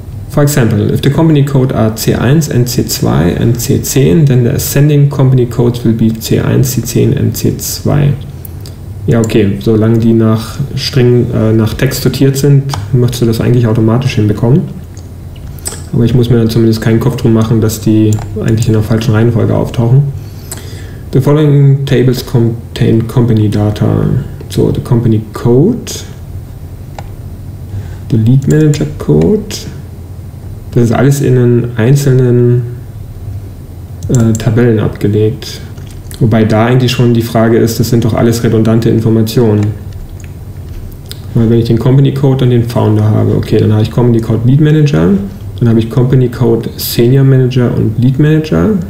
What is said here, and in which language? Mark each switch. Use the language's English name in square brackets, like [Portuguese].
[English] For example, if the company code are C1 and C2 and C10, then the ascending company codes will be C1, C10 and C2. [German] Ja, okay, solange die nach String, nach Text sortiert sind, möchtest du das eigentlich automatisch hinbekommen. Aber ich muss mir dann zumindest keinen Kopf drum machen, dass die eigentlich in der falschen Reihenfolge auftauchen. [English] The following tables contain company data. So, the company code, the lead manager code. [German] Das ist alles in einen einzelnen Tabellen abgelegt. Wobei da eigentlich schon die Frage ist, das sind doch alles redundante Informationen. Weil wenn ich den Company Code und den Founder habe, okay, dann habe ich Company Code Lead Manager, dann habe ich Company Code Senior Manager und Lead Manager.